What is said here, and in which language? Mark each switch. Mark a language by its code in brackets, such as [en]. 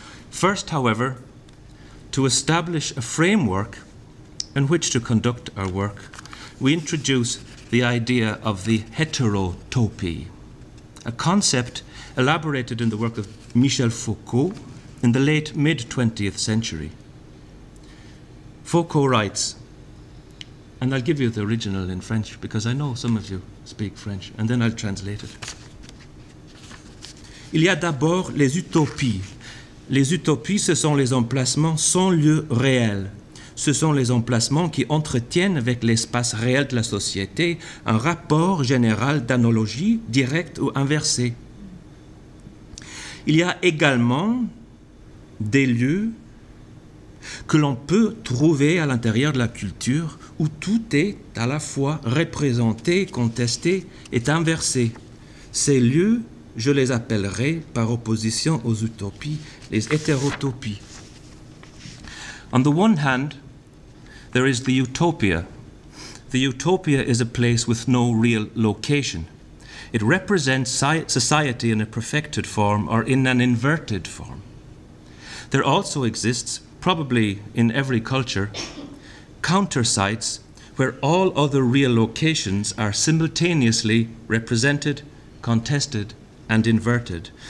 [en] First, however, to establish a framework in which to conduct our work, we introduce the idea of the heterotopy, a concept elaborated in the work of Michel Foucault in the late mid-20th century. Foucault writes, and I'll give you the original in French because I know some of you speak French, and then I'll translate it. [fr] Il y a d'abord les utopies. Les utopies, ce sont les emplacements sans lieu réel. Ce sont les emplacements qui entretiennent avec l'espace réel de la société un rapport général d'analogie directe ou inversée. Il y a également des lieux que l'on peut trouver à l'intérieur de la culture où tout est à la fois représenté, contesté et inversé. Ces lieux, je les appellerai par opposition aux utopies, les hétérotopies. [en] On the one hand, there is the utopia. The utopia is a place with no real location. It represents society in a perfected form or in an inverted form. There also exists, probably in every culture, countersites where all other real locations are simultaneously represented, contested, and inverted.